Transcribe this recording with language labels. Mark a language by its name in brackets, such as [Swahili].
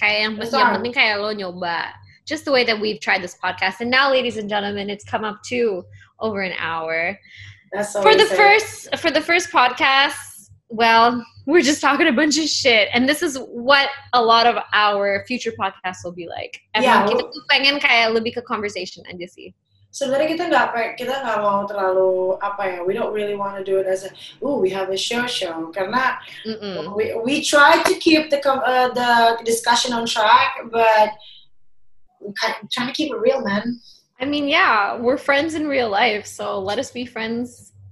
[Indonesian] Yang penting kayak lo nyoba. [English] Just the way that we've tried this podcast, and now, ladies and gentlemen, it's come up to over an hour. That's for the first podcast. Well, we're just talking a bunch of shit, and this is what a lot of our future podcasts will be like. [Indonesian] Emang kita tuh pengen kayak lebih ke conversation aja sih. Sebenarnya kita nggak mau terlalu apa ya. [English] We don't really want to do it as a we have a show karena we try to keep the discussion on track, but trying to keep it real, man. I mean, yeah, we're friends in real life, so let us be friends